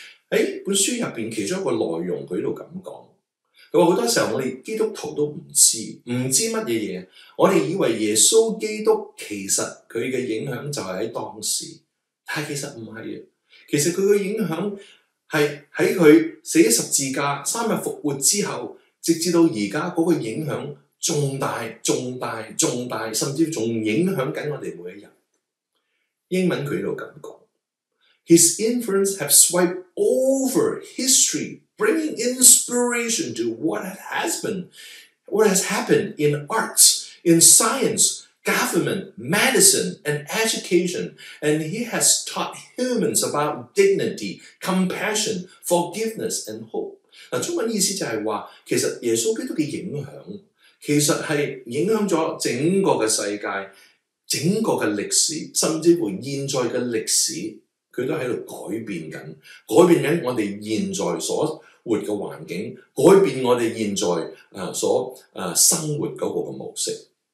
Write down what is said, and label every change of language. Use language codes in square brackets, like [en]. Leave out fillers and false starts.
[zh] 在本书里面其中一个内容他这样讲，他说很多时候我们基督徒都不知道什么，我们以为耶稣基督其实他的影响就是在当时，但其实不是。其实他的影响是在他死十字架三日复活之后，直至到现在那个影响重大重大重大，甚至还影响我们每一人。英文他这样说， [en] His influence has swept over historyBringing inspiration to what has happened in arts, in science, government, medicine, and education. And he has taught humans about dignity, compassion, forgiveness, and hope. [zh] 中文意思就是说，其实耶稣基督的影响，其实是影响了整个的世界，整个的历史，甚至乎现在的历史，他都在改变着我们现在所活的环境，改变我们现在生活的那个模式。